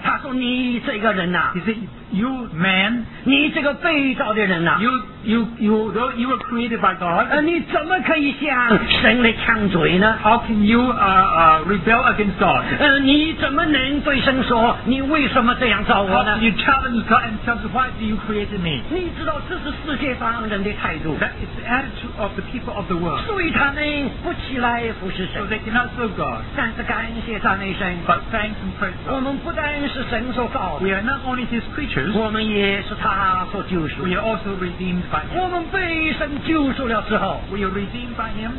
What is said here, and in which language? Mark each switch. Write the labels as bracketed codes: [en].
[zh] 他说你这个人呐、啊。 [en] He said,You man, [zh] 你这个被造的人啊 [en] you were created by God. [zh] 你怎么可以向神来抗罪呢？ [en] How can you rebel against God? [zh] 你怎么能对神说你为什么这样造我呢？ [en] How can you challenge God and tell us why do you created me? [zh] 你知道这是世界上人的态度。 [en] That is the attitude of the people of the world. [zh] 所以他们不起来服侍神。 [en] So they cannot serve God. [zh] 但是感谢赞美神。 [en] But thanks and praise God. [zh] 我们不但是神所造的。 [en] We are not only His creature. [zh] 我们也是他所救赎。 [en] We are also redeemed by him. [zh] 我们被神救赎了之后。 [en] We are redeemed by him.